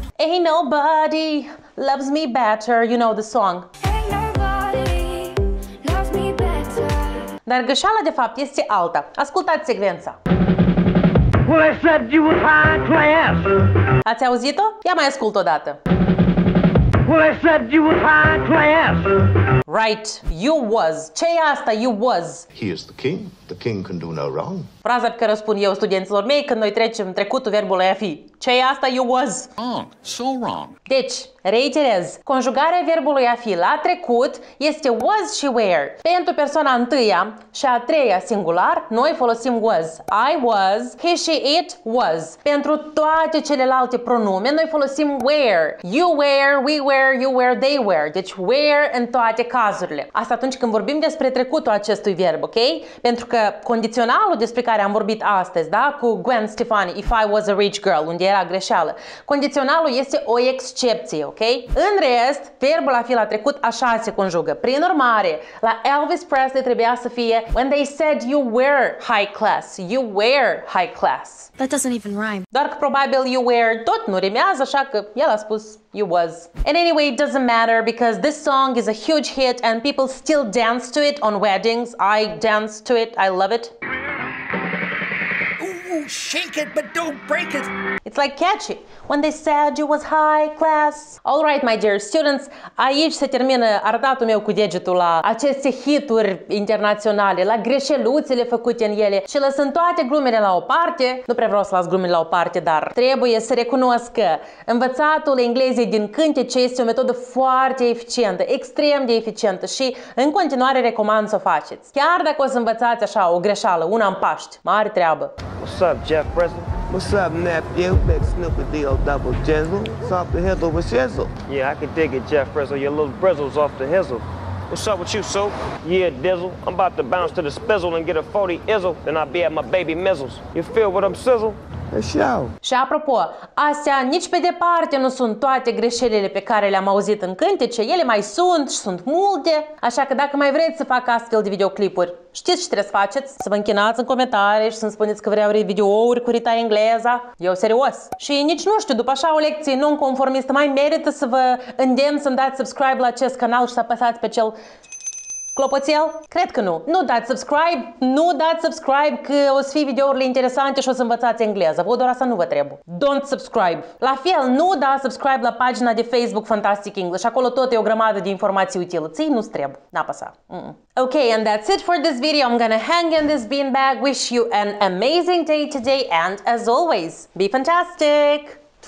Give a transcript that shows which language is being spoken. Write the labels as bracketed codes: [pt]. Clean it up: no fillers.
[en] Ain't nobody loves me better, you know the song. Ain't nobody loves me better. [ro] Dar greșeala de fapt este alta. Ascultați secvența. [en] Well, I said you were high class. [ro] Ați auzit-o? Ia mai ascult o dată. [en] Well, I said you were high class. Right, you was. [ro] Ce-i asta, [en] you was? He is the king. The king can do no wrong. [ro] Fraza pe care o spun eu studenților mei când noi trecem trecutul verbului a fi. Ce-i asta, [en] you was? Wrong, so wrong. [ro] Deci, reiterez, conjugarea verbului a fi la trecut este was și were. Pentru persoana întâia și a treia singular, noi folosim was. [en] I was, he, she, it, was. [ro] Pentru toate celelalte pronume, noi folosim were. [en] You were, we were, you were, they were. [ro] Deci, were în toate cazurile. Asta atunci când vorbim despre trecutul acestui verb, ok? Pentru că condiționalul despre care am vorbit astăzi, da? Cu Gwen Stefani, [en] if I was a rich girl, [ro] unde era greșeală. Condiționalul este o excepție, ok? În rest, verbul a fi la trecut așa se conjugă. Prin urmare, la Elvis Presley trebuia să fie when they said [en] you were high class. You were high class. That doesn't even rhyme. [ro] Doar că probabil [en] you were [ro] tot nu rimează, așa că el a spus you was. [en] And anyway, it doesn't matter because this song is a huge hit and people still dance to it on weddings. I dance to it. I love it. Shake it, but don't break it. It's like catchy. When they said you was high class. [ro] All right, my dear students, aici se termină arătatul meu cu degetul la aceste hituri internaționale, la greșeluțele făcute în ele și lăsând toate glumele la o parte, nu prea vreau să las glumele la o parte, dar trebuie să recunosc că învățatul englezei din cântece este o metodă foarte eficientă, extrem de eficientă și în continuare recomand să o faceți. Chiar dacă o să învățați așa o greșeală, una în Paști, mare treabă. [en] What's up, Jeff Preston? What's up, nephew? Big Snoopy D.O. Double Jizzle. It's off the hizzle with shizzle. Yeah, I can dig it, Jeff Preston. Your little brizzle's off the hizzle. What's up with you, Soap? Yeah, Dizzle. I'm about to bounce to the spizzle and get a 40 izzle. Then I'll be at my baby mizzles. You feel what I'm sizzle? [ro] Și apropo, astea nici pe departe nu sunt toate greșelile pe care le-am auzit în cântece, ele mai sunt și sunt multe, așa că dacă mai vreți să fac astfel de videoclipuri, știți ce trebuie să faceți? Să vă închinați în comentarii și să-mi spuneți că vreau videouri cu Rita Engleza, eu serios. Și nici nu știu, după așa o lecție non-conformistă, mai merită să vă îndemn să-mi dați subscribe la acest canal și să apăsați pe cel... clopoțel? Cred că nu. Nu dați subscribe, nu dați subscribe că o să fie videourile interesante și o să învățați engleză. Vă doar asta nu vă trebuie. [en] Don't subscribe. [ro] La fel, nu dați subscribe la pagina de Facebook Fantastic English. Acolo tot e o grămadă de informații utile. Ții, nu-ți trebuie. N-apăsa. [en] Ok, and that's it for this video. I'm gonna hang in this beanbag. Wish you an amazing day today and as always, be fantastic!